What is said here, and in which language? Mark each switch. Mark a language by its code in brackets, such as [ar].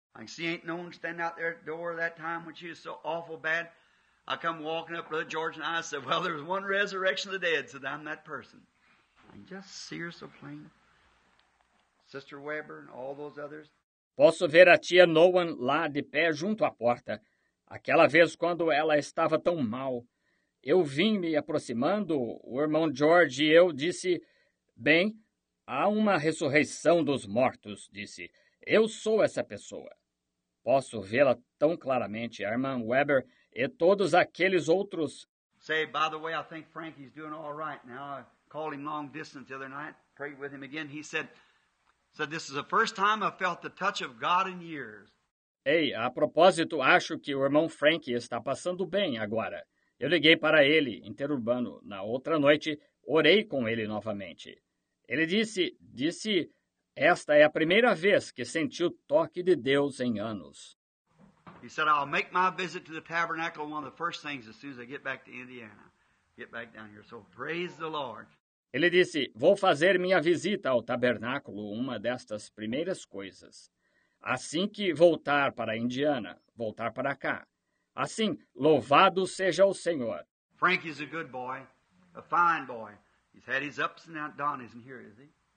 [en] I see ain't no one standing out there at the door that time when she was so awful bad. I come walking up, Brother George, and I said, well, there's one resurrection of the dead, said, I'm that person. I just see her so plain. Sister Weber and all those others. [pt] Posso ver a tia Nolan lá de pé junto à porta. Aquela vez quando ela estava tão mal. Eu vim me aproximando, o irmão George e eu disse, bem, há uma ressurreição dos mortos, disse. Eu sou essa pessoa. Posso vê-la tão claramente, a irmã Weber e todos aqueles outros. [en] Say, by the way, I think Frankie's doing all right now. I called him long distance the other night, prayed with him again. He said, this is the first time I felt the touch of God in years. [pt] Ei, a propósito, acho que o irmão Frank está passando bem agora. Eu liguei para ele, interurbano, na outra noite, orei com ele novamente. Ele disse, esta é a primeira vez que senti o toque de Deus em anos. [en] He said, I'll make my visit to the tabernacle one of the first things as soon as I get back to Indiana. Get back down here. So praise the Lord. [pt] Ele disse, vou fazer minha visita ao tabernáculo, uma destas primeiras coisas. Assim que voltar para a Indiana, voltar para cá. Assim, louvado seja o Senhor. [en] Frank is a good boy, a fine boy. He's had his ups and downs, isn't here, is he?